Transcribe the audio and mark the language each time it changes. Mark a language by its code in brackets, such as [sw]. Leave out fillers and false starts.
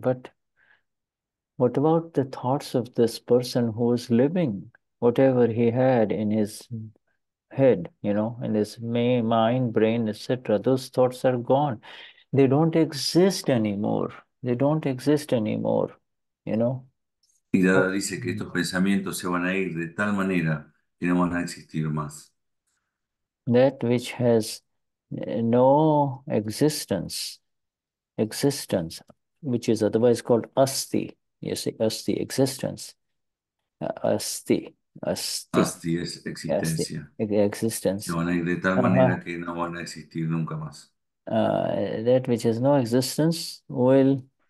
[en] But what about the thoughts of this person who is living, whatever he had in his head, you know, in his mind, brain, etc.? Those thoughts are gone. They don't exist anymore. They don't exist anymore, you know. [es] Y Dada dice que estos pensamientos se van a ir de tal manera que no van a existir más. [en] That which has no existence, which is otherwise called asti, you see, asti, existence, asti, asti. [es] Asti es existencia. [en] Asti, existence. [es] Se van a ir de tal manera que no van a existir nunca más. [en] That which has no existence will...